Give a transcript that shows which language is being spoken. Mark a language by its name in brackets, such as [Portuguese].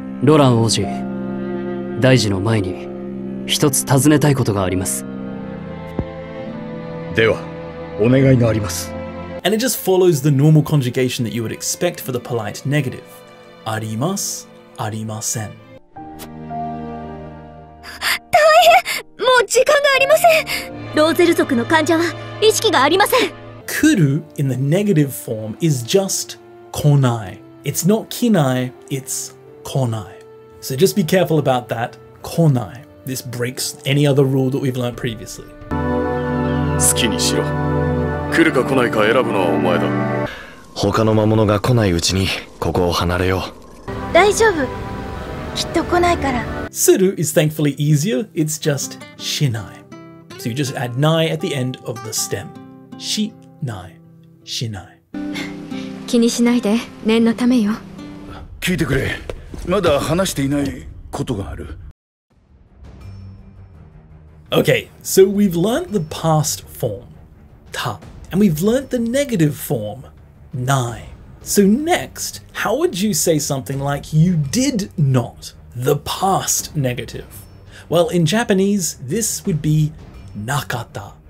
[Japanese] Loran王子, 大事の前に 一つ尋ねたいことがあります. では, お願いがあります. [English] And it just follows the normal conjugation that you would expect for the polite negative. [Japanese] あります, ありません. 大変!もう時間がありません!ローゼル族の患者は意識がありません! [English] 来る in the negative form is just 来ない. It's not 来ない, it's 来ない.So just be careful about that. 来ない. This breaks any other rule that we've learned previously. [Japanese] 好きにしろ. 来るか来ないか選ぶのはお前だ. 他の魔物が来ないうちに ここを離れよう. 大丈夫!きっと来ないから. [English] Suru is thankfully easier. It's just shinai. So you just add nai at the end of the stem. Shinai. Shinai. [Japanese] 気にしないで、念のためよ. 聞いてくれ。まだ話していないことがある。 [English] Okay, so we've learnt the past form, ta, and we've learnt the negative form, nai. So next, how would you say something like you did not, the past negative? Well, in Japanese, this would be nakata.